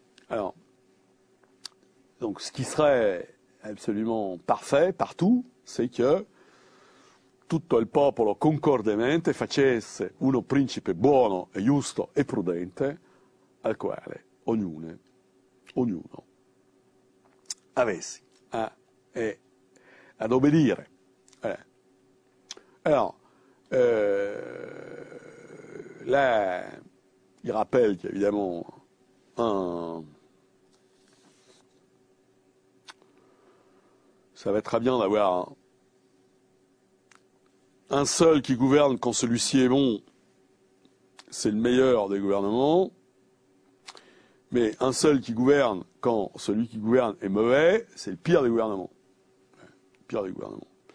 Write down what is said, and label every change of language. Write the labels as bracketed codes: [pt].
[fr] Alors, donc, ce qui serait absolument parfait partout, c'est que [it] tutto il popolo concordemente facesse uno principe buono e giusto e prudente, al quale ognuno avessi ad obbedire. [fr] Là, il rappel, évidemment, ça va être très bien d'avoir un seul qui gouverne quand celui-ci est bon, c'est le meilleur des gouvernements, mais un seul qui gouverne quand celui qui gouverne est mauvais, c'est le pire des gouvernements. Pire des gouvernements.